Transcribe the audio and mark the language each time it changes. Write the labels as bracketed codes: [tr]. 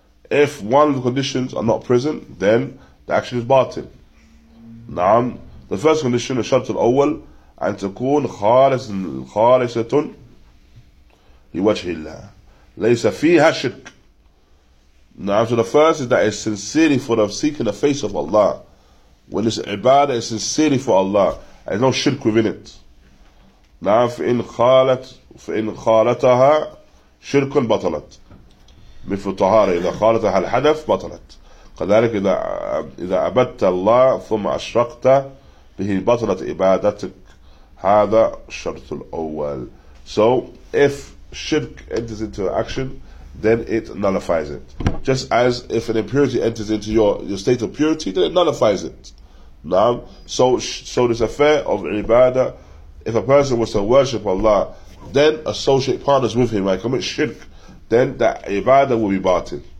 [en] If one of the conditions are not present, then the action is batil. The first condition is [ar] Shart al-Awwal, أن تكون خالصة لوجه الله ليس فيها شرك. [en] So the first is that it's sincerely for the seeking the face of Allah. When this ibadah is sincerely for Allah, there's no shirk within it. [ar] فإن خالتها شرك بطلت مثل طهارة إذا خالتها الحدث بطلت كذلك إذا عبدت الله ثم أشرقت به بطلت عبادتك هذا الشرط الأول. [en] So if shirk enters into action, then it nullifies it. Just as if an impurity enters into your state of purity, then it nullifies it. Now, so this affair of ibadah, if a person was to worship Allah, then associate partners with him, like commit shirk, then that ibadah will be batil.